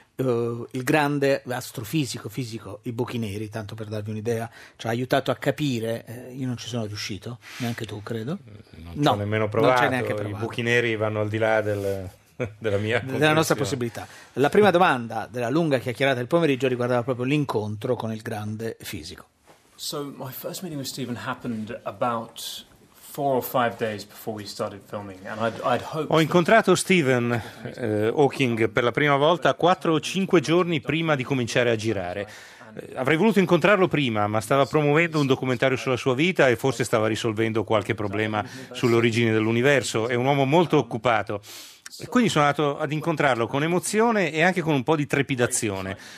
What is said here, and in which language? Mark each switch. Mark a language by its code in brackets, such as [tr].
[it] Il grande astrofisico, fisico, i buchi neri, tanto per darvi un'idea, ci ha aiutato a capire, io non ci sono riuscito, neanche tu credo. Non ci ho neanche provato. I buchi neri vanno al di là della mia comprensione. Della nostra possibilità. La prima domanda della lunga chiacchierata del pomeriggio riguardava proprio l'incontro con il grande fisico. [en] So my first meeting with Stephen happened about 4 or 5 days before we started filming, and I'd hoped. [it] Ho incontrato Stephen Hawking per la prima volta 4 o 5 giorni prima di cominciare a girare. Avrei voluto incontrarlo prima, ma stava promuovendo un documentario sulla sua vita e forse stava risolvendo qualche problema sulle origini dell'universo. È un uomo molto occupato. E quindi sono andato ad incontrarlo con emozione e anche con un po' di trepidazione.